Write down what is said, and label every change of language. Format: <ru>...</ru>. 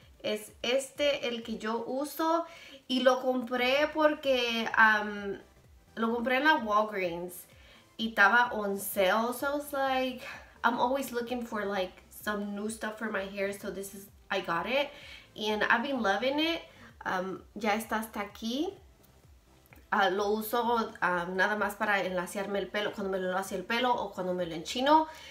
<es>Es este el que yo uso y lo compré porque lo compré en la Walgreens y estaba</es> <en>on sale. So I was like, I'm always looking for like some new stuff for my hair, so this is, I got it and I've been loving it.</en> <es>Ya está hasta aquí. Lo uso nada más para enlaciarme el pelo, cuando me lo lacio el pelo o cuando me lo enchino.</es>